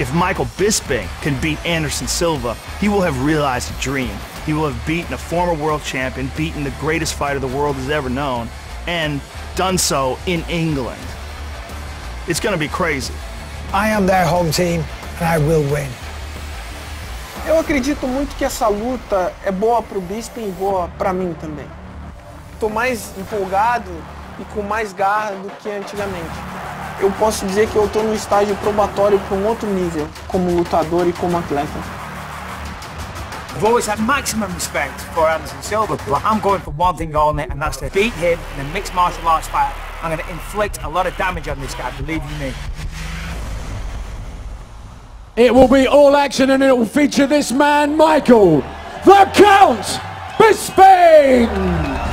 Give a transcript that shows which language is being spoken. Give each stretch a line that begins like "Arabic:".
English: If Michael Bisping can beat Anderson Silva, he will have realized a dream. He will have beaten a former world champion, beaten the greatest fighter the world has ever known, and done so in England. It's going to be crazy. I am their home team, and I will win.
Portuguese: Eu acredito muito que essa luta é boa para o Bisping e boa para mim também. Estou mais empolgado e com mais garra do que antigamente. Eu posso dizer que eu estou no estágio probatório para outro nível, como lutador e como atleta.
English: I've always had maximum respect for Anderson Silva, but I'm going for one thing only, and that's to beat him in a mixed martial arts fight. I'm going to inflict a lot of damage on this guy, believe you me. It will be all action, and it will feature this man, Michael, the Count Bisping!